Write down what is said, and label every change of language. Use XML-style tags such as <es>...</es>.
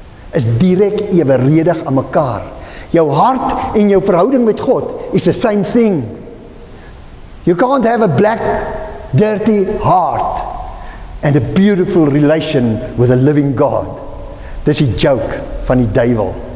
<af>Is direk eweredig aan mekaar. Jou hart en jou verhouding met God</af> <en>is the same thing. You can't have a black, dirty heart and a beautiful relation with a living God.</en> <af>Dis die joke van die duivel.</af>